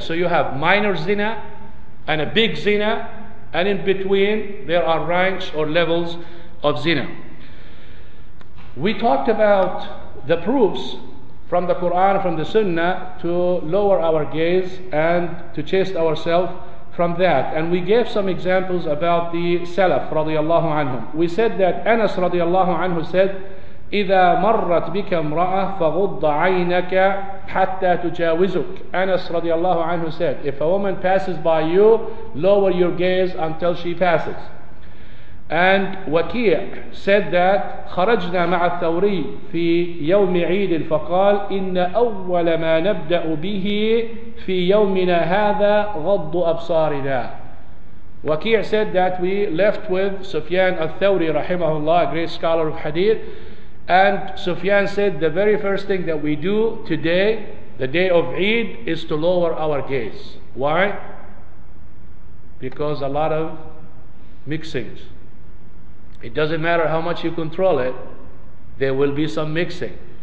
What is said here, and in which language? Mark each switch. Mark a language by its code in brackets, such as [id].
[en] So you have minor zina and a big zina, and in between there are ranks or levels of zina. We talked about the proofs from the Quran, from the Sunnah, to lower our gaze and to chaste ourselves from that. And we gave some examples about the Salaf radiallahu anhum. We said that Anas radiallahu anhu said, [ar] إِذَا مَرَّتْ بِكَ امْرَأَةٌ فَغُضَّ عَيْنَكَ حَتَّى تُجَاوِزُكَ. [en] Anas radiallahu anhu said, if a woman passes by you, lower your gaze until she passes. And Waqi' said that [ar] خَرَجْنَا مَعَ الثَّوْرِي فِي يَوْمِ عِيدٍ فَقَالْ إِنَّ أَوَّلَ مَا نَبْدَأُ بِهِ فِي يَوْمِنَا هَذَا غَضُّ أَبْصَارِنَا. [en] Waqi' said that we left with Sufyan al-Thawri rahimahullah, a great scholar of hadith. And Sufyan said, the very first thing that we do today, the day of Eid, is to lower our gaze. Why? Because a lot of mixings. It doesn't matter how much you control it, there will be some mixing.